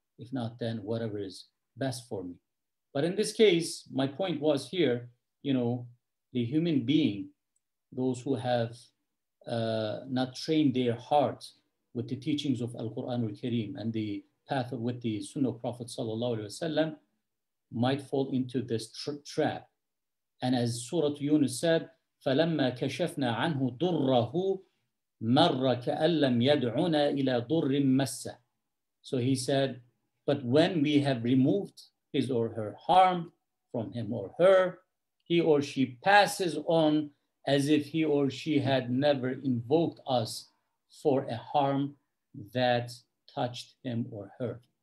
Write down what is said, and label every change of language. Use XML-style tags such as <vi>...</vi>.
<en>If not, then whatever is best for me. But in this case, my point was here, the human being, those who have not trained their hearts with the teachings of Al-Quran al-Kareem and the path with the Sunnah of Prophet Sallallahu Alaihi Wasallam, might fall into this trap. And as Surah Yunus said,</en> <ar>فَلَمَّا كَشَفْنَا عَنْهُ ضُرَّهُ مَرَّ كَأَنْ لَمْ يَدْعُونَ إِلَى ضُرٍ مَسَّ.</ar> <en>So he said, but when we have removed his or her harm from him or her, he or she passes on as if he or she had never invoked us for a harm that touched him or her.</en>